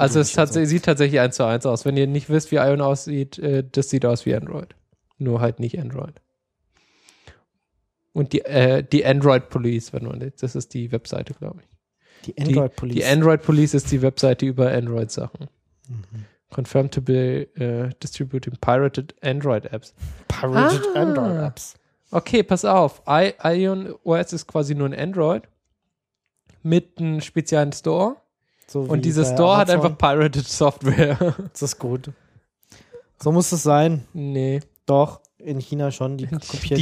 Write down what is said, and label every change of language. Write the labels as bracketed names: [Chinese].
[German] Also, es sieht tatsächlich 1:1 aus. Wenn ihr nicht wisst, wie Ion aussieht, das sieht aus wie Android. Nur halt nicht Android. Und die Android Police, wenn man das ist die Webseite, glaube ich. Die Android Police? Die Android Police ist die Webseite über Android-Sachen. Mhm. [English] Confirmed to be distributing pirated Android apps. Android apps. [German] Okay, pass auf. Ion OS ist quasi nur ein Android mit einem speziellen Store. So und dieser Store hat einfach pirated Software. Das ist gut. So muss es sein. Nee. Doch, in China schon. Die kopieren